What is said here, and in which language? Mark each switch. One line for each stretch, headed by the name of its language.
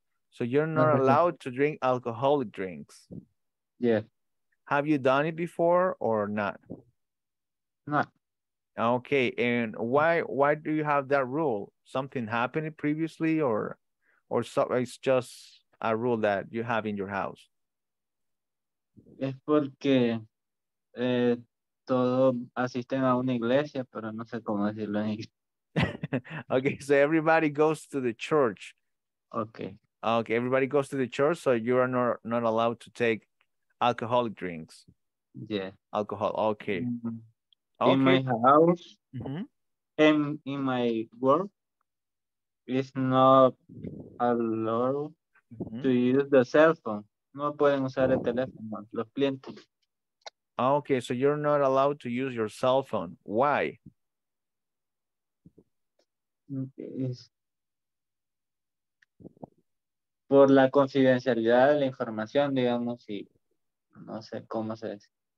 English: So you're not allowed to drink alcoholic drinks? Yes. Have you done it before or not? Not. Okay, and why do you have that rule? Something happened previously or so it's just a rule that you have in your house?
Spanish: Es porque todos asisten a una iglesia, pero no sé cómo decirlo en inglés.
English: Okay, so everybody goes to the church. Okay. Okay, everybody goes to the church, so you are not allowed to take alcoholic drinks. Yeah. Alcohol, okay. Mm-hmm. Okay. In my house, mm-hmm. and in my work, it's not allowed mm-hmm. to use the cell phone.
Spanish: No pueden usar el teléfono, los clientes.
English: Okay, so you're not allowed to use your cell phone. Why?
Spanish: Es por la confidencialidad de la información, digamos, y no sé cómo se dice.